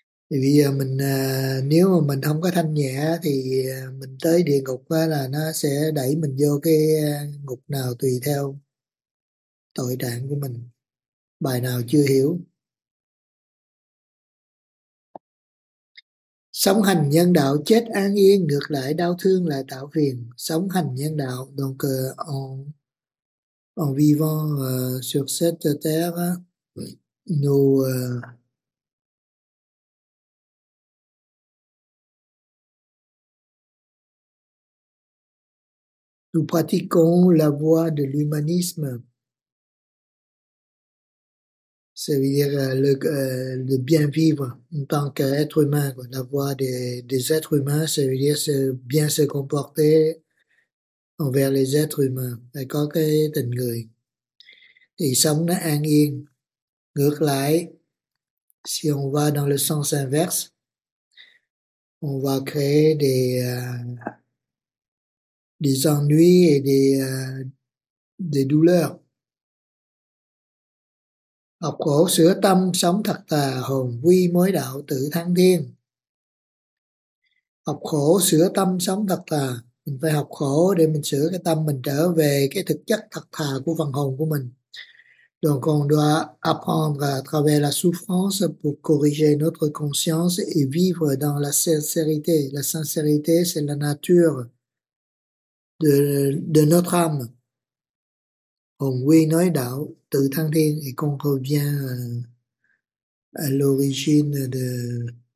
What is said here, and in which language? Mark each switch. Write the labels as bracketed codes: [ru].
[vi] Vì mình nếu mà mình không có thanh nhẹ thì mình tới địa ngục là nó sẽ đẩy mình vô cái ngục nào tùy theo tội trạng của mình, bài nào chưa hiểu. Sống hành nhân đạo chết an yên, ngược lại đau thương lại tạo phiền. Sống hành nhân đạo, [fr] donc en vivant sur cette terre, nous pratiquons la voie de l'humanisme. Ça veut dire le bien vivre en tant qu'être humain, quoi. La voie des êtres humains, ça veut dire se, bien se comporter envers les êtres humains, et [vi] có cái tình người. Thì sống nó an yên. Ngược lại, [fr] si on va dans le sens inverse, on va créer des ennuis et des douleurs. [vi] Học khổ sửa tâm sống thật thà hồn quy mới đạo tự thăng thiên. Học khổ sửa tâm sống thật thà, mình phải học khổ để mình sửa cái tâm mình trở về cái thực chất thật thà của phần hồn của mình. [fr] Donc on doit apprendre à travers la souffrance pour corriger notre conscience et vivre dans la sincérité. La sincérité, c'est la nature de notre âme. [vi] Hồn quy nói đạo tự thăng thiên, [fr] et qu'on revient à l'origine de